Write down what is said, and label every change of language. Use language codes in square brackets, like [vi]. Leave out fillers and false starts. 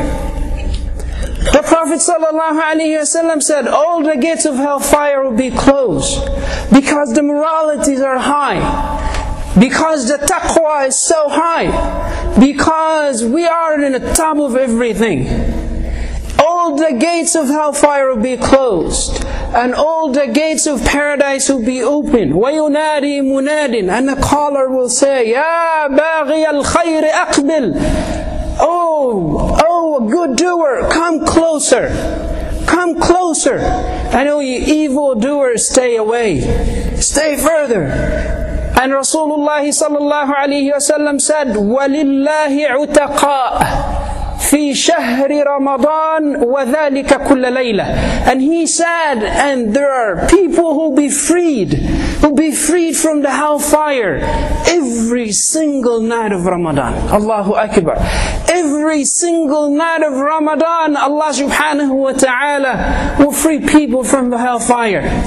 [en] The Prophet sallallahu alaihi wasallam said, all the gates of hellfire will be closed because the moralities are high, because the taqwa is so high, because we are in the top of everything. All the gates of hellfire will be closed, and all the gates of paradise will be opened. [ar] وَيُنَادِي مُنَادٍ, [en] and the caller will say, [ar] يَا بَاغِيَ الْخَيْرِ أَقْبِلْ. [en] Oh, a good doer, come closer. Come closer. And oh, you evil doers, stay away. Stay further. And Rasulullah sallallahu alayhi wa sallam said, [ar] وَلِلَّهِ عُتَقَاءَ في شهر رمضان وذلك كل ليلة. [en] And he said, and there are people who be freed from the hellfire every single night of Ramadan. Allahu Akbar. Every single night of Ramadan, Allah subhanahu wa ta'ala will free people from the hellfire.